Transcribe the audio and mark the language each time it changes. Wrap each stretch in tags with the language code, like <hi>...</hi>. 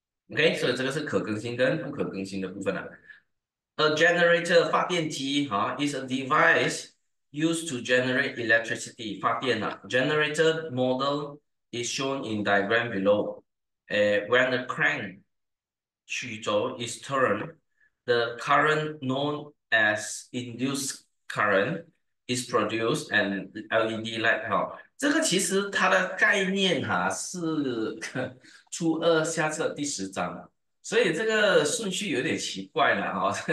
<zh>OK，所以这个是可更新跟不可更新的部分了。</zh> <en>A generator 发电机啊，is a device used to generate electricity 发电了。 Generator model is shown in diagram below. When the crank 曲轴 is turned, the current known as induced current is produced and LED light</en> <zh>哈，这个其实它的概念哈是初二下册第十章，所以这个顺序有点奇怪了哈。</zh>